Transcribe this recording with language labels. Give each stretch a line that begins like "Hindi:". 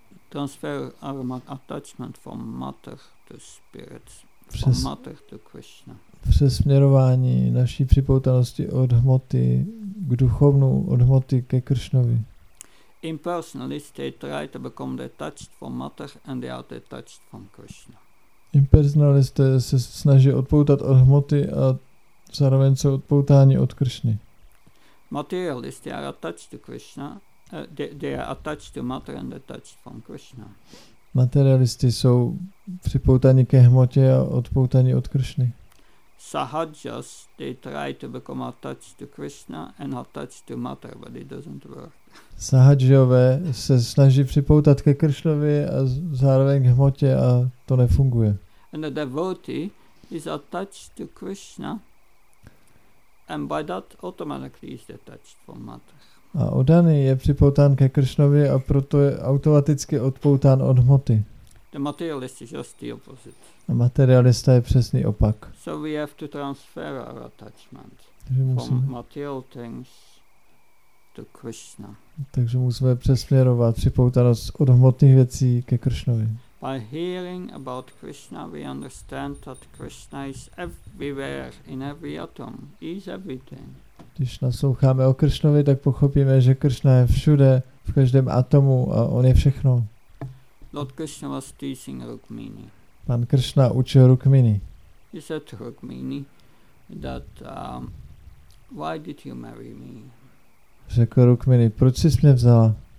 English: Transfer our attachment from matter to spirit, from matter to Krishna.
Czech: Přesměrování naší připoutanosti od hmoty k duchovnu, od hmoty ke Kršnovi.
English: Impersonalists, they try to become detached from matter and they are detached from Krishna.
Czech: Impersonalisté se snaží odpoutat od hmoty a zároveň jsou odpoutáni od Kršny.
English: Materialists, they are attached to Krishna. They are attached to matter and detached from Krishna.
Czech: Materialisti jsou připoutáni ke hmotě a odpoutáni od Kršny.
English: Sahajas, they try to become attached to Krishna and attached to matter, but it doesn't work.
Czech: Sahajové se snaží připoutat ke Kršnovi a zároveň k hmotě a to nefunguje.
English: And the devotee is attached to Krishna and by that automatically is detached from matter.
Czech: A oddaný je připoután ke Kršnovi a proto je automaticky odpoután od hmoty.
English: The materialist is just the opposite.
Czech: A materialista je přesný opak.
English: So we have to transfer our attachment from material things to Krishna.
Czech: Takže musíme přesměrovat připoutanost od hmotných věcí ke Kršnovi.
English: By hearing about Krishna, we understand that Krishna is everywhere, in every atom, he is everything.
Czech: Když nasloucháme o Kršnovi, tak pochopíme, že Kršna je všude, v každém atomu a on je všechno.
English: Lord Krishna was teaching Rukmini.
Czech: Pan Kršna učil Rukmini.
English: He said to Rukmini that why did you marry me?
Czech: Řekl Rukmini, proč jsi mě vzala?